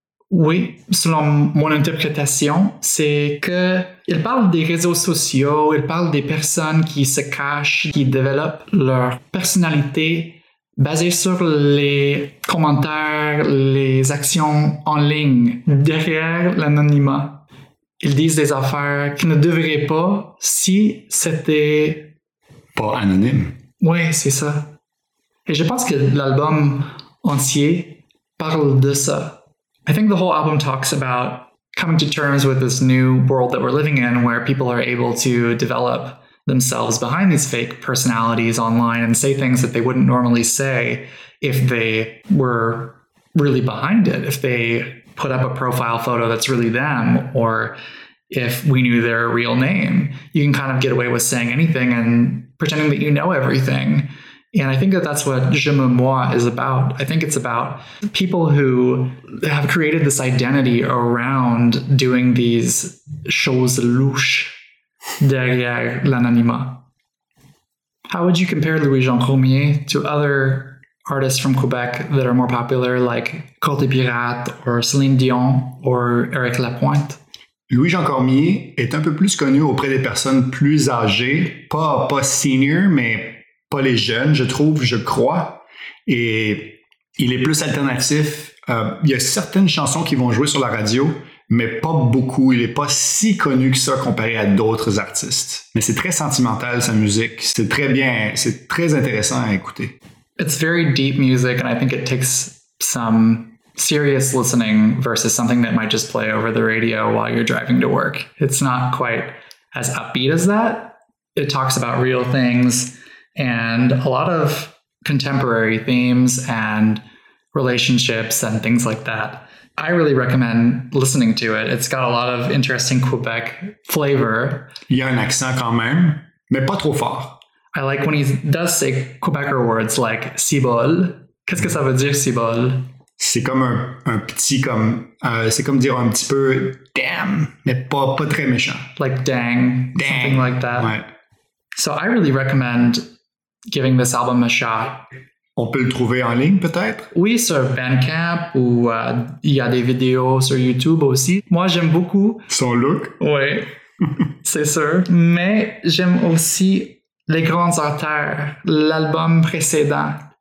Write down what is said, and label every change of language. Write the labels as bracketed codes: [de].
[fr] Oui, selon mon interprétation, c'est que il parle des réseaux sociaux, il parle des personnes qui se cachent, qui développent leur personnalité basée sur les commentaires, les actions en ligne, derrière l'anonymat. Ils disent des affaires qu'ils ne devraient pas si c'était... pas anonyme. Oui, c'est ça. Et je pense que l'album entier parle de ça. [en] I think the whole album talks about coming to terms with this new world that we're living in where people are able to develop themselves behind these fake personalities online and say things that they wouldn't normally say if they were really behind it, if they put up a profile photo that's really them or if we knew their real name. You can kind of get away with saying anything and pretending that you know everything. And I think that that's what Je Me Moi is about. I think it's about people who have created this identity around doing these [fr] choses louches derrière l'anonymat. [en] How would you compare Louis-Jean Cormier to other artists from Quebec that are more popular, like Côté Pirate or Céline Dion or Éric Lapointe? [fr] Louis-Jean Cormier est un peu plus connu auprès des personnes plus âgées, pas senior, mais pas les jeunes, je trouve, je crois. Et il est plus alternatif. Il y a certaines chansons qui vont jouer sur la radio, mais pas beaucoup. Il n'est pas si connu que ça comparé à d'autres artistes. Mais c'est très sentimental, sa musique. C'est très bien, c'est très intéressant à écouter. [en] It's very deep music, and I think it takes some serious listening versus something that might just play over the radio while you're driving to work. It's not quite as upbeat as that. It talks about real things and a lot of contemporary themes and relationships and things like that. I really recommend listening to it. It's got a lot of interesting Quebec flavor. [fr] Il y a un accent quand même, mais pas trop fort. [en] I like when he does say Quebecer words like cibole. [fr] Qu'est-ce que ça veut dire cibole? C'est comme un petit comme c'est comme dire un petit peu damn, mais pas très méchant. [en] Like dang. Something like that. [fr] Ouais. [en] So I really recommend giving this album a shot. [fr] On peut le trouver en ligne peut-être? Oui, sur Bandcamp ou il y a des vidéos sur YouTube aussi. Moi, j'aime beaucoup son look. Oui. C'est sûr, mais j'aime aussi Les Grandes Artères, l'album précédent.